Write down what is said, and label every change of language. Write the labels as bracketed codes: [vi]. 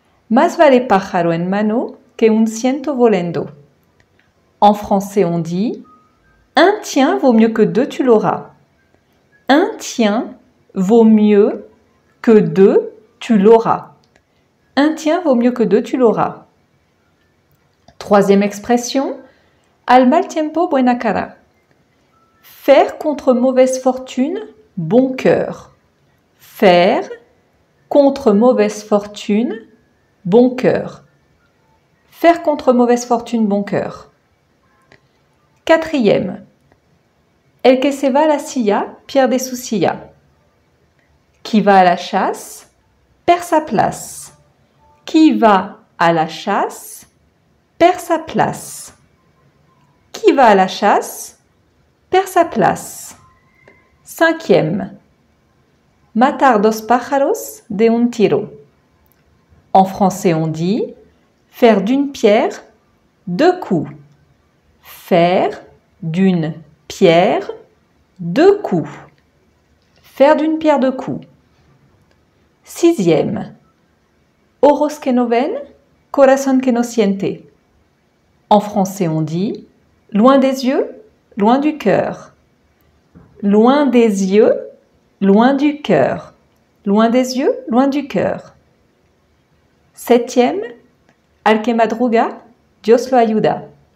[es] Más vale pájaro en mano que un ciento volando. [fr] En français, on dit un tien vaut mieux que deux, tu l'auras. Un tien vaut mieux que deux, tu l'auras. Un tien vaut mieux que deux, tu l'auras. Troisième expression, [es] al mal tiempo buena cara. [fr] Faire contre mauvaise fortune, bon cœur. Faire contre mauvaise fortune, bon cœur. Faire contre mauvaise fortune, bon cœur. Quatrième. [es] El que se va a la silla, pierde su silla. [fr] Qui va à la chasse, perd sa place. Qui va à la chasse, perd sa place. Qui va à la chasse, perd sa place. Cinquième. [es] Matar dos pájaros de un tiro. [fr] En français, on dit faire d'une pierre deux coups. Faire d'une pierre deux coups. Faire d'une pierre deux coups. Sixième. [es] Ojos que no ven, corazón que no siente. [fr] En français, on dit loin des yeux, loin du cœur. Loin des yeux, loin du cœur. Loin des yeux, loin du cœur. Septième, [es] al que madruga, Dios lo ayuda.